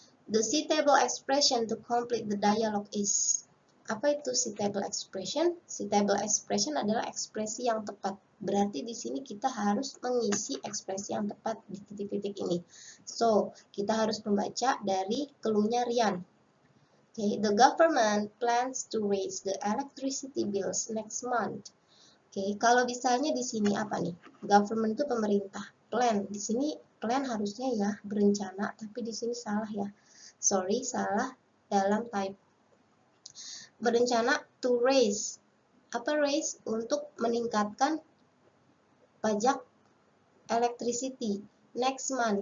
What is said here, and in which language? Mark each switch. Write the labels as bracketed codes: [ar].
[en] The C table expression to complete the dialogue is. [id] Apa itu C table expression? C table expression adalah ekspresi yang tepat. Berarti di sini kita harus mengisi ekspresi yang tepat di titik-titik ini. So, kita harus membaca dari cluenya Rian. [en] Okay, the government plans to raise the electricity bills next month. [id] Okay, kalau misalnya di sini apa nih? Government itu pemerintah. Plan. Di sini plan harusnya ya berencana, tapi di sini salah ya. Sorry, salah dalam type. Berencana [en] to raise. [id] Apa raise? Untuk meningkatkan pajak [en] electricity next month.